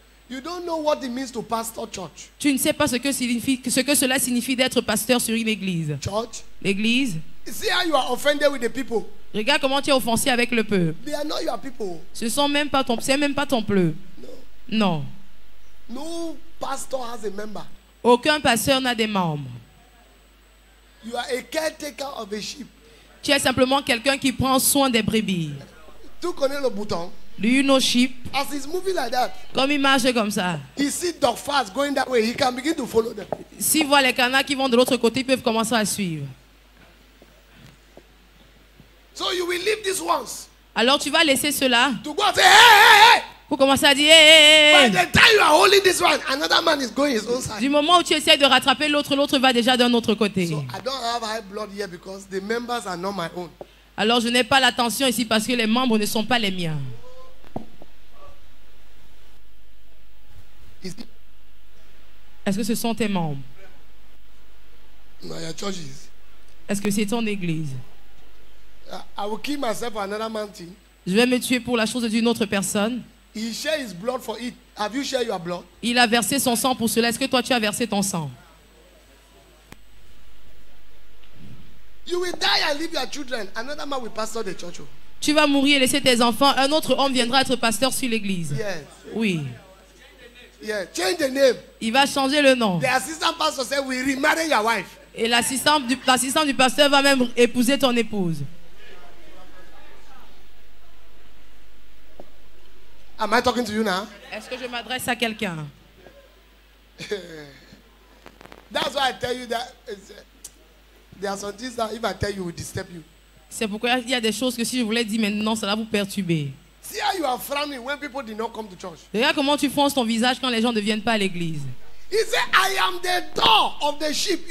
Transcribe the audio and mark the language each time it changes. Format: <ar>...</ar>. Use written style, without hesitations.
<en>You don't know what it means to pastor church.</en> <fr>Tu ne sais pas ce que cela signifie d'être pasteur sur une église.</fr> <en>Church.</en> <fr>L'église.</fr> <en>See how you are offended with the people.</en> <fr>Regarde comment tu es offensé avec le peuple.</fr> <en>They are not your people.</en> <fr>Ce sont même pas ton, c'est même pas ton peuple. Non.</fr> <en>No pastor has a member.</en> <fr>Aucun pasteur n'a des membres.</fr> <en>You are a caretaker of a sheep.</en> <fr>Tu es simplement quelqu'un qui prend soin des brebis. Tu connais le bouton?</fr> <en>Do you know sheep? As he's moving like that.</en> <fr>Comme il marche comme ça.</fr> <en>He sees dog fast going that way. He can begin to follow them.</en> <fr>S'il voit les canards qui vont de l'autre côté, ils peuvent commencer à suivre.</fr> <en>So you will leave this once.</en> <fr>Alors tu vas laisser cela.</fr> <en>To go and say hey hey hey.</en> <fr>Vous commencez à dire hey, hey, hey.</fr> <en>By the time you are holding this one, another man is going his own side.</en> <fr>Du moment où tu essaies de rattraper l'autre, l'autre va déjà d'un autre côté.</fr> <en>So I don't have high blood here because the members are not my own.</en> <fr>Alors je n'ai pas l'attention ici parce que les membres ne sont pas les miens. Est-ce que ce sont tes membres?</fr> <en>No, your churches.</en> <fr>Est-ce que c'est ton église?</fr> <en>I will kill myself for another man's thing.</en> <fr>Je vais me tuer pour la chose d'une autre personne.</fr> <en>He shed his blood for it. Have you shed your blood?</en> <fr>Il a versé son sang pour cela. Est-ce que toi tu as versé ton sang?</fr> <en>You will die and leave your children. Another man will pastor the church.</en> <fr>Tu vas mourir et laisser tes enfants. Un autre homme viendra être pasteur sur l'église.</fr> <en>Yes.</en> <fr>Oui.</fr> <en>Yeah. Change the name.</en> <fr>Il va changer le nom.</fr> <en>The assistant pastor said, "We remarry your wife."</en> <fr>Et l'assistant du pasteur va même épouser ton épouse.</fr> <en>Am I talking to you now?</en> <fr>Est-ce que je m'adresse à quelqu'un?</fr> <en>That's why I tell you that there are some things that if I tell you will disturb you.</en> <fr>C'est pourquoi il y a des choses que si je voulais dire maintenant, ça va vous perturber.</fr> <en>See how you are frowning when people did not come to church.</en> <fr>Regarde comment tu fronces ton visage quand les gens ne viennent pas à l'église.</fr> <en>He said, "I am the door of the sheep.</en>